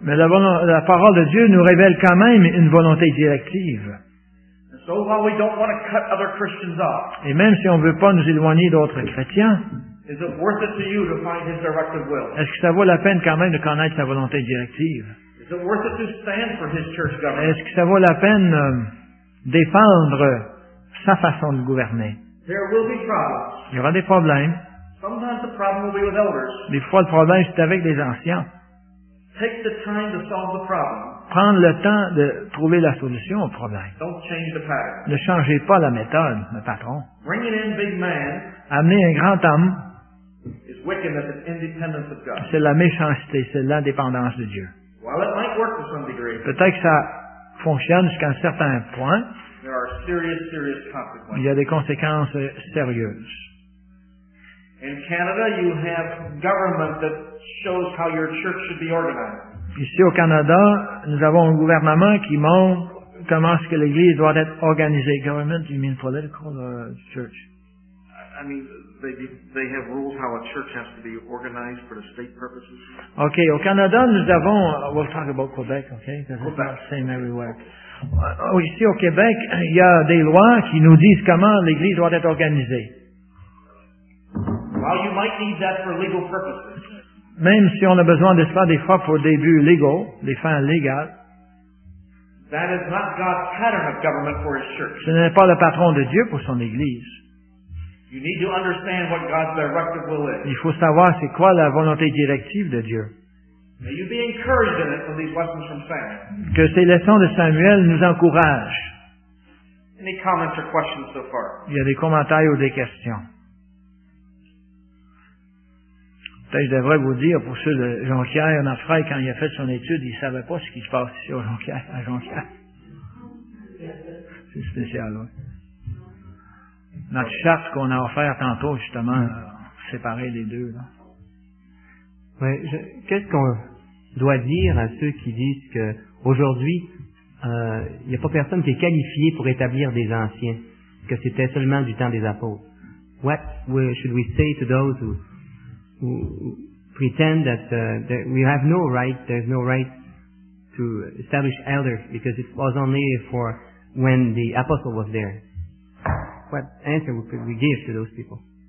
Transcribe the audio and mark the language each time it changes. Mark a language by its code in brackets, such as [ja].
[fr] Mais la parole de Dieu nous révèle quand même une volonté directive. [en] So while we don't want to cut other Christians off, [fr] et même si on ne veut pas nous éloigner d'autres chrétiens, [en] is it worth it to you to find his directive will? [fr] Est-ce que ça vaut la peine quand même de connaître sa volonté directive? [en] Is it worth it to stand for his church government? [fr] Est-ce que ça vaut la peine défendre sa façon de gouverner? [en] There will be problems. [fr] Il y aura des problèmes. [en] Sometimes the problem will be with elders. [fr] Des fois, le problème c'est avec les anciens. [en] Take the time to solve the problem. [fr] Prendre le temps de trouver la solution au problème. [en] Don't change the pattern. [fr] Ne changez pas la méthode, le patron. [en] Bring it in, big man. [fr] Amener un grand homme. [en] It's wickedness, it's independence of God. [fr] C'est la méchanceté, c'est l'indépendance de Dieu. [en] While it might work to some degree, [fr] peut-être que ça fonctionne jusqu'à un certain point. [en] There are serious, serious consequences. [fr] Il y a des conséquences sérieuses. [en] In Canada, you have government that shows how your church should be organized. [fr] Ici au Canada, nous avons un gouvernement qui montre comment est-ce que l'Église doit être organisée. [en] Government, you mean political church? I mean, they have rules how a church has to be organized for the state purposes. Okay, [fr] au Canada, nous avons. [en] We'll talk about Quebec, okay? Because it's not the same everywhere. [fr] Ici au Québec, il y a des lois qui nous disent comment l'Église doit être organisée. [en] Well, you might need that for legal purposes. [fr] Même si on a besoin de cela des fois pour des buts légaux, des fins légales, [en] that is not God's pattern of government for his church. [fr] Ce n'est pas le patron de Dieu pour son Église. [en] You need to understand what God's directive will is. [fr] Il faut savoir c'est quoi la volonté directive de Dieu. [en] May you be encouraged in it from these lessons from Samuel. [fr] Que ces leçons de Samuel nous encouragent. [en] Any comments or questions so far? [fr] Il y a des commentaires ou des questions. Je devrais vous dire, pour ceux de Jonquière, notre frère, quand il a fait son étude, il ne savait pas ce qui se passe ici à Jonquière. C'est spécial, oui. Notre charte qu'on a offert tantôt, justement, séparer les deux. Là. Oui, qu'est-ce qu'on doit dire à ceux qui disent qu'aujourd'hui, il n'y a pas personne qui est qualifié pour établir des anciens, que c'était seulement du temps des apôtres? [en] What should we say to those who pretend that we have no right, there's no right to establish elders because it was only for when the apostle was there. What answer could we give to those people?